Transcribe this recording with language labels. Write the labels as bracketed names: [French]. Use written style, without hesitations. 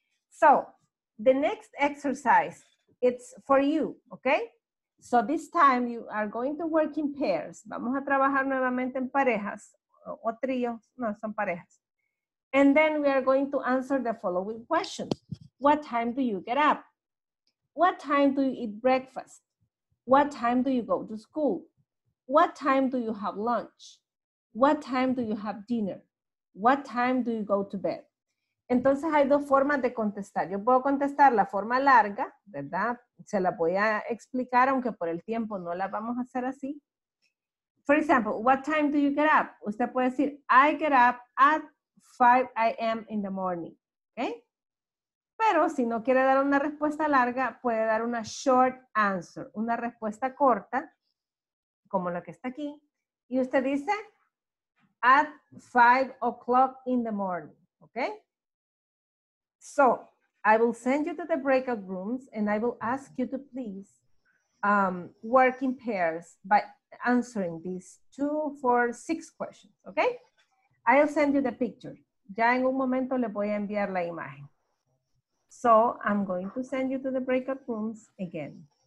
[English] So, the next exercise, it's for you, okay? So this time you are going to work in pairs. [Spanish] Vamos a trabajar nuevamente en parejas o tríos. No, son parejas. [English] And then we are going to answer the following questions. What time do you get up? What time do you eat breakfast? What time do you go to school? What time do you have lunch? What time do you have dinner? What time do you go to bed? [Spanish] Entonces hay dos formas de contestar. Yo puedo contestar la forma larga, ¿verdad? Se la voy a explicar, aunque por el tiempo no la vamos a hacer así. For example, what time do you get up? Usted puede decir, [English] I get up at 5 a.m. in the morning. ¿Okay? [Spanish] Pero si no quiere dar una respuesta larga, puede dar una [English] short answer, [Spanish] una respuesta corta, como la que está aquí. Y usted dice, [English] at 5 o'clock in the morning. ¿Okay? So, I will send you to the breakout rooms and I will ask you to please work in pairs by answering these 2, 4, 6 questions, okay? I'll send you the picture. [Spanish] Ya en un momento le voy a enviar la imagen. [English] So, I'm going to send you to the breakout rooms again.